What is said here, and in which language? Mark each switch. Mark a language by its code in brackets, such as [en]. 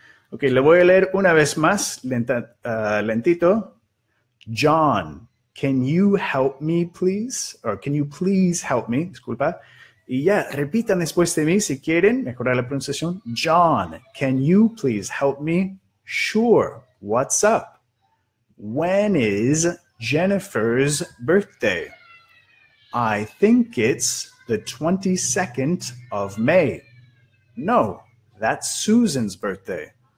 [es] Ok, le voy a leer una vez más, lentito. [en] John, can you help me, please? Or can you please help me? [es] Disculpa. Y ya, repitan después de mí si quieren mejorar la pronunciación. [en] John, can you please help me? Sure. What's up? When is Jennifer's birthday? I think it's the 22nd of May. No, that's Susan's birthday.